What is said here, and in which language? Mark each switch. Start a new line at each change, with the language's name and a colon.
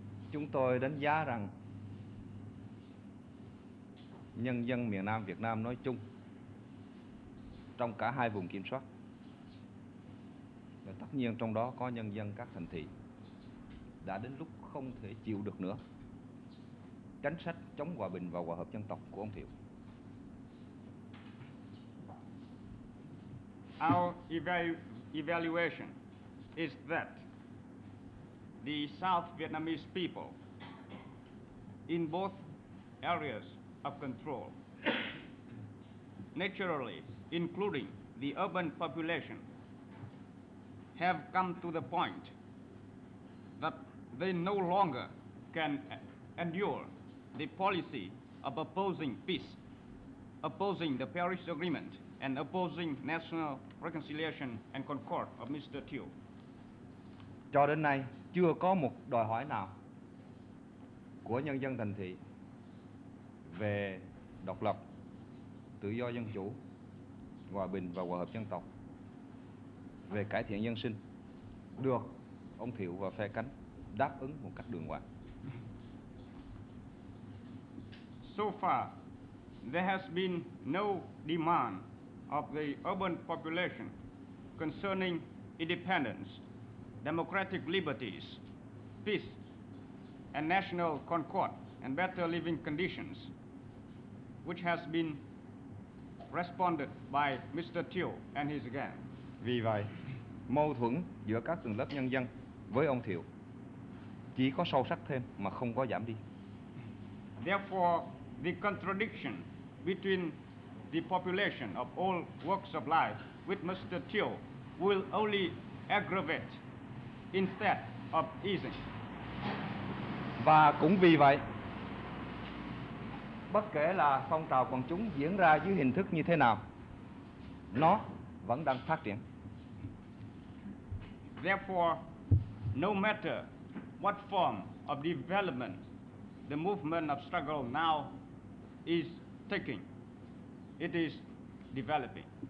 Vietnamese: Chúng tôi đánh giá rằng nhân dân miền Nam Việt Nam nói chung, trong cả hai vùng kiểm soát, và tất nhiên trong đó có nhân dân các thành thị, đã đến lúc không thể chịu được nữa chính sách chống hòa bình và hòa hợp dân tộc của ông Thiệu.
English: Our evaluation is that the South Vietnamese people in both areas of control, naturally including the urban population, have come to the point that they no longer can endure the policy of opposing peace, opposing the Paris Agreement, and opposing national reconciliation and concord of Mr. Thieu.
Vietnamese: Cho đến nay, chưa có một đòi hỏi nào của nhân dân thành thị về độc lập, tự do dân chủ, hòa bình và hòa hợp dân tộc, về cải thiện dân sinh, được ông Thiệu và phe cánh đáp ứng một cách đường hoàng.
English: So far, there has been no demand of the urban population concerning independence, democratic liberties, peace, and national concord, and better living conditions, which has been responded by Mr. Thieu and his gang.
Vietnamese: Vì vậy, mâu thuẫn giữa các tầng lớp nhân dân với ông Thiệu chỉ có sâu sắc thêm mà không có giảm đi.
English: Therefore, the contradiction between the population of all walks of life with Mr. Thieu will only aggravate instead of easing.
Vietnamese: Và cũng vì vậy, bất kể là phong trào quần chúng diễn ra dưới hình thức như thế nào, nó vẫn đang phát triển.
English: Therefore, no matter what form of development the movement of struggle now is taking, it is developing.